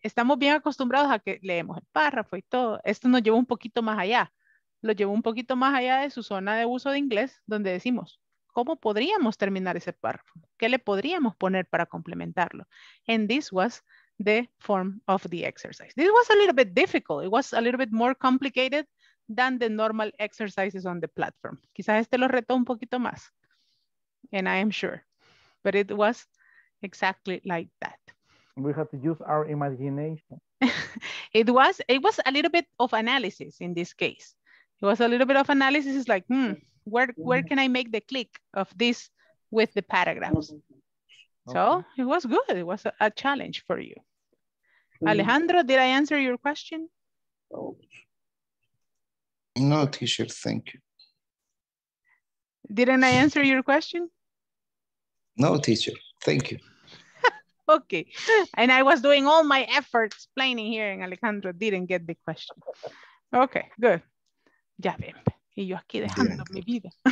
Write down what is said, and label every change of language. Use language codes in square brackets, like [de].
[es] Estamos bien acostumbrados a que leemos el párrafo y todo. Esto nos llevó un poquito más allá. Lo llevó un poquito más allá de su zona de uso de inglés, donde decimos, ¿cómo podríamos terminar ese párrafo? ¿Qué le podríamos poner para complementarlo? [en] And this was the form of the exercise. This was a little bit difficult. It was a little bit more complicated than the normal exercises on the platform. [es] Quizás este lo retó un poquito más. [en] And I am sure. But it was exactly like that. We have to use our imagination. It was a little bit of analysis in this case. It was a little bit of analysis. It's like, where can I make the click of this with the paragraphs? Okay. So it was good. It was a challenge for you. Alejandro, did I answer your question? No, teacher, thank you. Didn't I answer your question? No, teacher, thank you. Okay, and I was doing all my effort explaining here and Alejandro didn't get the question. Okay, good. [es] Ya ven, y yo aquí dejando mi vida.